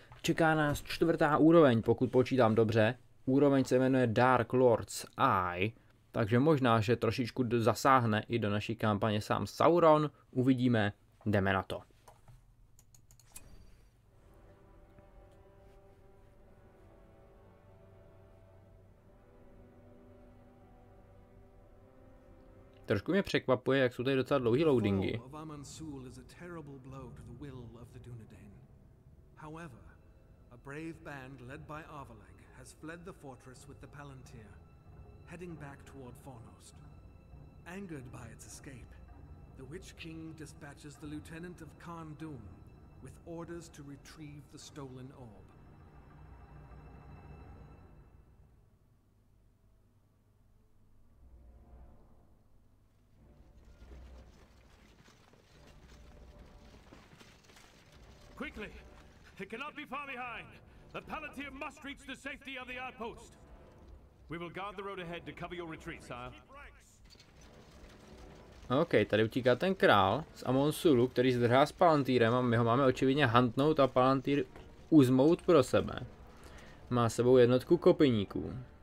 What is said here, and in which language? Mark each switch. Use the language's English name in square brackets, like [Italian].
[Czech] Čeká nás čtvrtá úroveň, pokud počítám dobře. Úroveň se jmenuje Dark Lord's Eye, takže možná, že trošičku zasáhne i do naší kampaně sám Sauron. Uvidíme, jdeme na to. Trošku mě překvapuje, jak jsou tady docela dlouhý loadingy. [English] The fall of Amon-Sul is a terrible blow to the will of the Dunedain. However, a brave band led by Arvaleg has fled the fortress with the Palantir, heading back toward Fornost. Angered by its escape, the Witch King dispatches the lieutenant of Khan-Dûm with orders to retrieve the stolen orb. Quickly! It cannot be far behind! The Palantir must reach the safety of the outpost! We will guard the road ahead to cover your retreat, sire. [Czech] OK, tady utíká ten král z Amon-Sulu, který zdrhá s Palantýrem a my ho máme očividně huntnout a Palantýr uzmout pro sebe. Má s sebou jednotku kopyníků.